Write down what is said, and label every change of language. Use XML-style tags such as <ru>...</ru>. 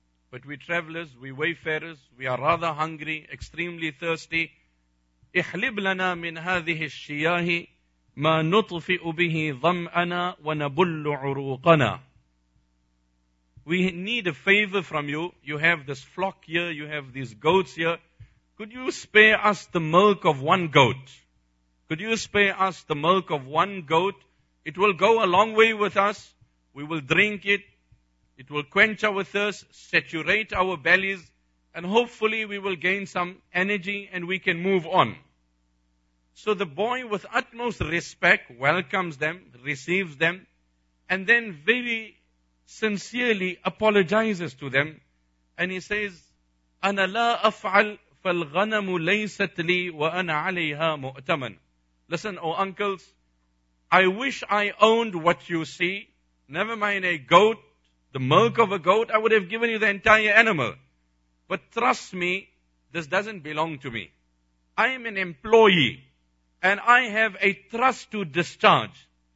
<en>But we travelers, we wayfarers, we are rather hungry, extremely thirsty.</en> <ar>احلب لنا من هذه الشياه ما نطفئ به ظمأنا ونبل عروقنا.</ar> <en>We need a favor from you. You have this flock here, you have these goats here. Could you spare us the milk of one goat? Could you spare us the milk of one goat? It will go a long way with us. We will drink it. It will quench our thirst, saturate our bellies, and hopefully we will gain some energy and we can move on. So the boy, with utmost respect, welcomes them, receives them, and then very sincerely apologizes to them.</en> <ar>And he says, أَنَا لَا أَفْعَلْ فَالْغَنَمُ لَيْسَتْ لِي وَأَنَا عَلَيْهَا مُؤْتَمَنْ.</ar> <en>Listen, O uncles, I wish I owned what you see, never mind a goat, the milk of a goat, I would have given you the entire animal. But trust me, this doesn't belong to me. I am an employee, and I have a trust to discharge.</en>